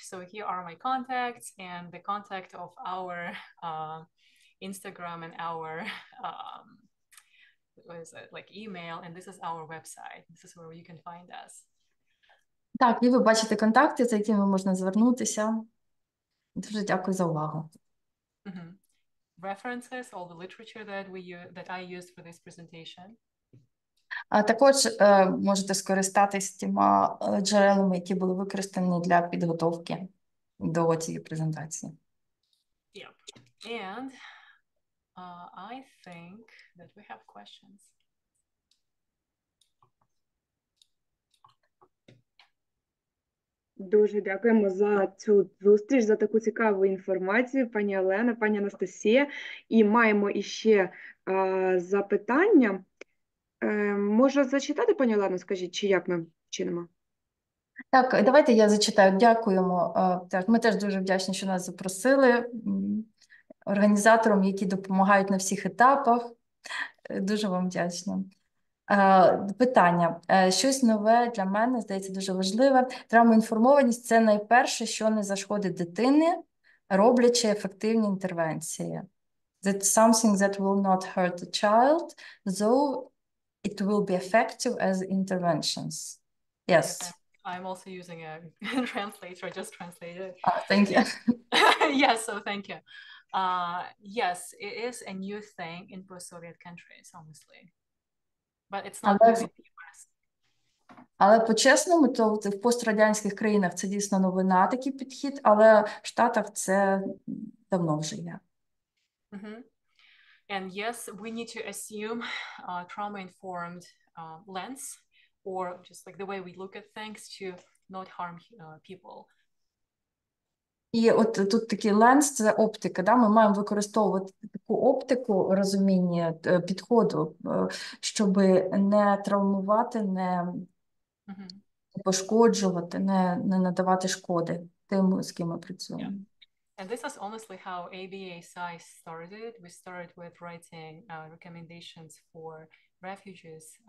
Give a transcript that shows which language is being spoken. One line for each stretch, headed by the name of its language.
English: So here are my contacts and the contact of our Instagram and our what is it, like email, and this is our website. This is where you can find us.
Ukrainian: Так, і ви бачите контакти, за якими можна звернутися. Дуже дякую за увагу.
English: References, all the literature that we that I used for this presentation.
Ukrainian: А також можете скористатися тими джерелами, які були використані для підготовки до цієї презентації.
English: Yep. And I think that we have questions.
Ukrainian: Дуже дякуємо за цю зустріч, за таку цікаву інформацію, пані Олена, пані Анастасія. І маємо іще запитання. Можу зачитати, пані Олено, скажіть, чи як ми вчинимо? Так, давайте я зачитаю. Дякуємо. Ми теж дуже вдячні, що нас запросили організаторам, які допомагають на всіх етапах. Дуже вам вдячна. Питання. Щось нове для мене, здається, дуже важливе. Травмоінформованість – це найперше, що не зашкодить дитині, роблячи ефективні інтервенції.
English: That something that will not hurt the child, though it will be effective as interventions. Yes. I'm also using a translator. I just translated. Thank you. Yes, so thank you. Yes, it is a new thing in post-Soviet countries, honestly. But it's not new in the US.
Ukrainian: Але по-чесному, то в пострадянських країнах це дійсно новина, такий підхід, але в Штатах це давно вже є.
English: And yes, we need to assume a trauma-informed lens. Or just like the way we look at things to not harm people.
Ukrainian: І от тут такий ленс, це оптика, да? Ми маємо використовувати таку оптику розуміння підходу, щоб не травмувати, не пошкоджувати, не надавати шкоди тим, з ким ми працюємо.
English: And this is honestly how ABASI started. We started with writing recommendations for refugees.